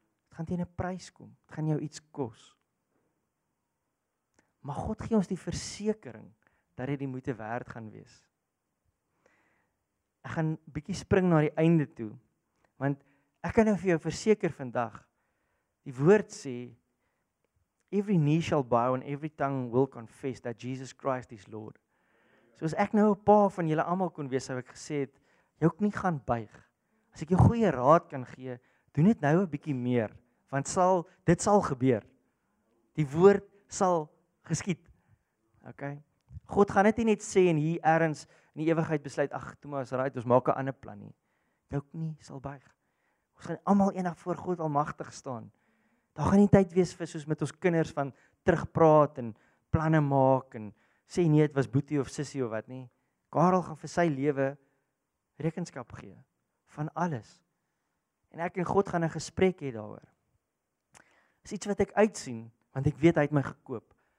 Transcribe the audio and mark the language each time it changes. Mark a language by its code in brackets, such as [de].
[af] Gaan teen 'n prys kom. Dit gaan jou iets kos. Maar God gee ons die versekering dat dit die moeite werd gaan wees. Ek gaan bietjie spring na die einde toe, want ek kan nou vir jou verseker vandag. Die woord sê [en] every knee shall bow and every tongue will confess that Jesus Christ is Lord. [af] So as ek nou 'n paar van julle almal kon wees, sou ek gesê het, jou knie gaan buig. As ek jou goeie raad kan gee, doen dit nou 'n bietjie meer. Want dit sal gebeur. Die woord sal geskied. OK. God gaan dit nie net sê en hier ergens in die ewigheid besluit, ag, Thomas, right, ons maak 'n ander plan nie. Jou knie sal buig. Ons gaan almal eendag voor God Almagtig staan. Daar gaan nie tyd wees vir soos met ons kinders van terugpraat en planne maak en sê nee, dit was Boetie of Sissie of wat nie. Karel gaan vir sy lewe rekenskap gee van alles. En ek en God gaan 'n gesprek hê daaroor. Is iets wat ek uitsien, want ek weet hy het my gekoop.